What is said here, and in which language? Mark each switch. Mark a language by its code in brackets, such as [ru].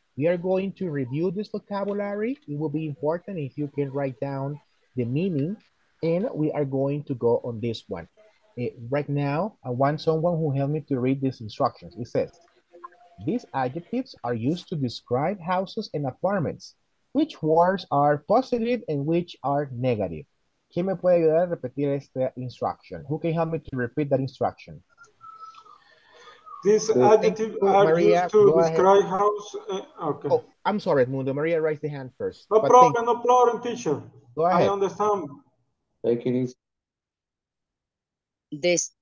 [en] We are going to review this vocabulary. It will be important if you can write down the meaning, and we are going to go on this one. Right now, I want someone who helped me to read these instructions. It says, these adjectives are used to describe houses and apartments. Which words are positive and which are negative? [es] ¿Quién me puede ayudar a repetir esta instruction? [en] Who can help me to repeat that instruction? These adjectives are used to describe houses. Okay. Oh, I'm sorry, Mundo. Maria, raise the hand first. No problem, teacher. Go ahead. I understand. Take it easy.